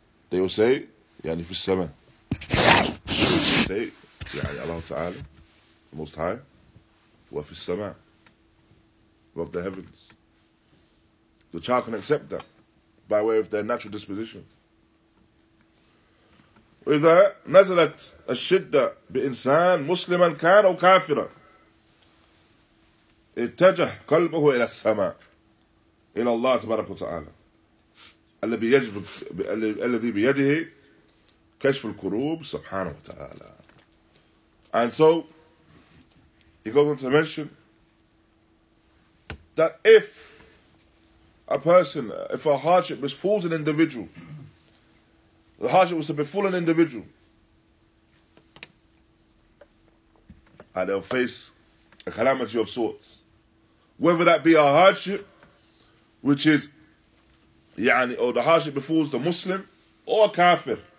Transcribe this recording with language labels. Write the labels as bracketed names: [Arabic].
[English] They will say, [Arabic] يعني في السماء. يعني الله تعالى, [English] the Most High, [Arabic] وفي السماء, [English] above the heavens. The child can accept that by way of their natural disposition. [Arabic] وإذا نزلت الشدة بإنسان مسلما كان أو كافرا اتجه قلبه إلى السماء إلى الله تبارك وتعالى. الذي بيده كشف الكروب سبحانه وتعالى. [English] And so, he goes on to mention that if a hardship befalls an individual, the hardship was to befall an individual, and they'll face a calamity of sorts, whether that be a hardship, which is يعني, or the hardship befalls the Muslim or a kafir.